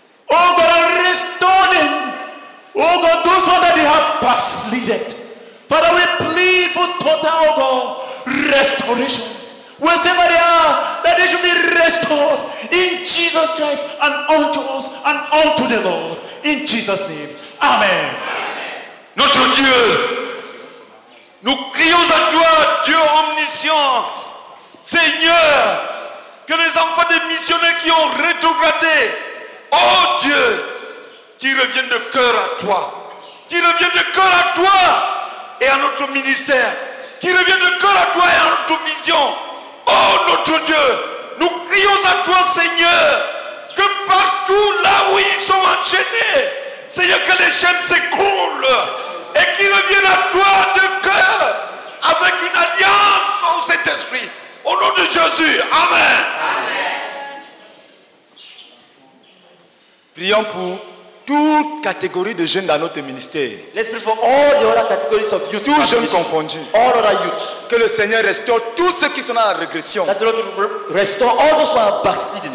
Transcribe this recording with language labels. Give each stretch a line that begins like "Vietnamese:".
English: Oh God, and restore them. Oh God, those ones that they have backslided. Father, we plead for total, oh God, restoration. Wherever they are, that they should be restored in Jesus Christ and unto us and unto the Lord. In Jesus' name. Amen. Amen.
French: Notre Dieu, nous crions à toi, Dieu omniscient, Seigneur, que les enfants des missionnaires qui ont rétrogradé, oh Dieu, qu'ils reviennent de cœur à toi, qu'ils reviennent de cœur à toi et à notre ministère, qu'ils reviennent de cœur à toi et à notre vision. Oh notre Dieu, nous crions à toi, Seigneur, que partout là où ils sont enchaînés, Seigneur, que les chaînes s'écroulent et qu'ils reviennent à toi de cœur avec une alliance au Saint-Esprit. Au nom de Jésus. Amen. Amen. Prions pour toute catégorie de jeunes dans notre ministère.
English: Let's pray for all the other categories of youth.
French: Tous jeunes confondus.
English: All other youth.
French: Que le Seigneur restaure tous ceux qui sont dans la régression.
English: That the Lord will restore all those who are backslidden.